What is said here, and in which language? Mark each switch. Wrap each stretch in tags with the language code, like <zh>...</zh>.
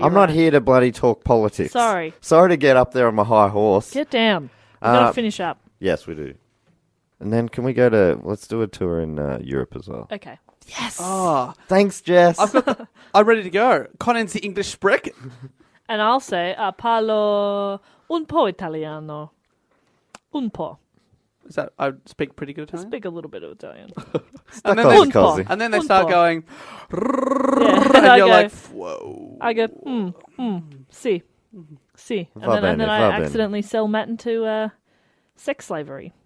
<en>I'm not here to bloody talk politics. Sorry. Sorry to get up there on my high horse. Get down. We've got to finish up. Yes, we do. And then can we go to... Let's do a tour in Europe as well. Okay. Yes. Oh, thanks, Jess. I'm ready to go. Conan's the English brick. And I'll say,</en> <it>parlo un po' italiano. Un po'.</it> <en>Is that, I speak pretty good Italian? I speak a little bit of Italian. And, then cozy. And then they start going, yeah. And you're like, whoa. I go,</en> <it>si, si.</it> <en>And then I accidentally sell Matt into sex slavery.</en>